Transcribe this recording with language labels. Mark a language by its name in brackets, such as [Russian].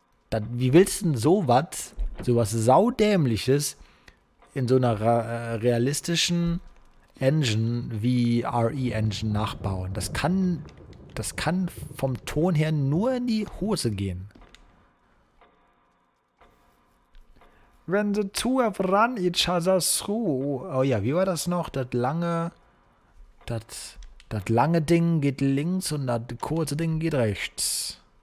[German] Dann, wie willst du denn sowas, sowas Saudämliches, in so einer realistischen Engine wie RE-Engine nachbauen? Das kann vom Ton her nur in die Hose gehen. [English] When the two have run each other through. [German] Oh ja, wie war das noch? Das lange Ding geht links und das kurze Ding geht rechts.